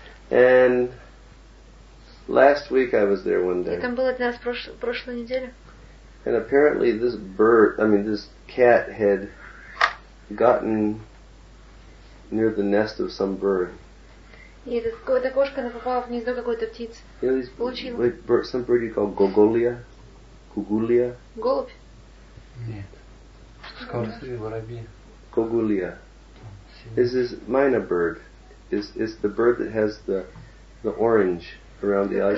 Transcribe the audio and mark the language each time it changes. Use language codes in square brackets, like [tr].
[en] And last week I was there one day. [ru] И там был один раз прошлой неделе. [en] And apparently this cat had gotten near the nest of some bird. [ru] И эта кошка, она попала в гнездо какой-то птицы. [en] You know, [ru] получила. [en] Like bird, some bird you call Gogolia? Gugulia? [ru] Голубь? Нет. Скорцы, воробьи. [en] Gogulia. This is minor bird. It's the bird that has the orange around the eyes.